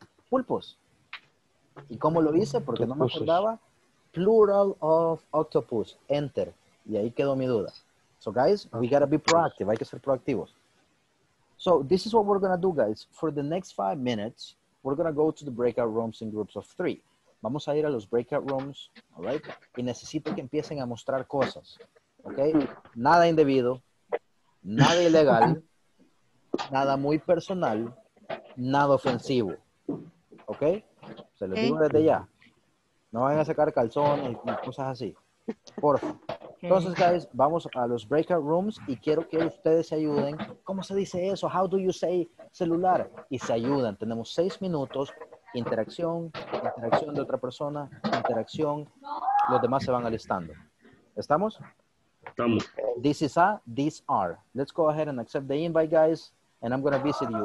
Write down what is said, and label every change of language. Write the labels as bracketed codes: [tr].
[es] Pulpos. ¿Y cómo lo hice? Porque no me acordaba. [en] Plural of octopus. [es] Enter. Y ahí quedó mi duda. [en] So, guys, we gotta be proactive. [es] Hay que ser proactivos. [en] So, this is what we're gonna do, guys. For the next 5 minutes, we're gonna go to the breakout rooms in groups of three. [es] Vamos a ir a los breakout rooms, all right? Y necesito que empiecen a mostrar cosas, ¿ok? Nada indebido, nada ilegal, nada muy personal, nada ofensivo, ¿ok? Se los digo desde ya. No vayan a sacar calzones y cosas así, por favor. Entonces, guys, vamos a los breakout rooms y quiero que ustedes se ayuden. ¿Cómo se dice eso? [en] How do you say celular? [es] Y se ayudan. Tenemos 6 minutos. Interacción, interacción de otra persona, interacción, los demás se van alistando. ¿Estamos? Estamos. [en] This is A, these are. Let's go ahead and accept the invite, guys, and I'm going to visit you.